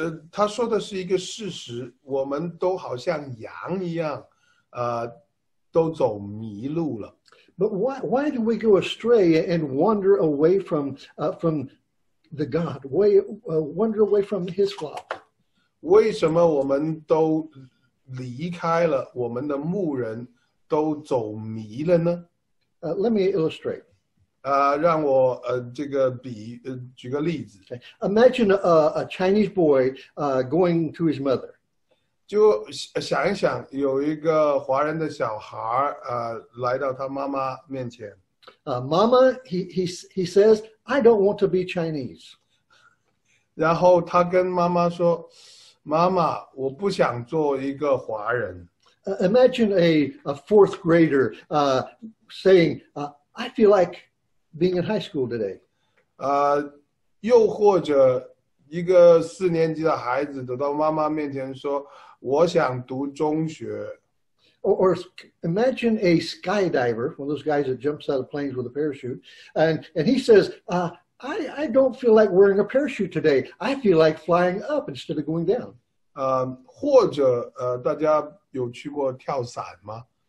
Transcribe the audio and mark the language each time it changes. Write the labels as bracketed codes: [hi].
[zh] 他说的是一个事实，我们都好像羊一样，都走迷路了。 [en] But why do we go astray and wander away from the God? Wander away from His flock? [zh] 为什么我们都离开了我们的牧人，都走迷了呢？ [en] Let me illustrate. [zh] 让我这个比举个例子。 [en] Okay. Imagine a Chinese boy going to his mother. [zh] 就想一想，有一个华人的小孩来到他妈妈面前。 [en] Mama, he says, I don't want to be Chinese. [zh] 然后他跟妈妈说，妈妈，我不想做一个华人。 [en] Imagine a fourth grader saying, I feel like being in high school today. [zh] 又或者一个四年级的孩子走到妈妈面前说，我想读中学。 [en] Or imagine a skydiver, one of those guys that jumps out of planes with a parachute, and he says, I don't feel like wearing a parachute today. I feel like flying up instead of going down. [zh] 或者大家有去过跳伞吗？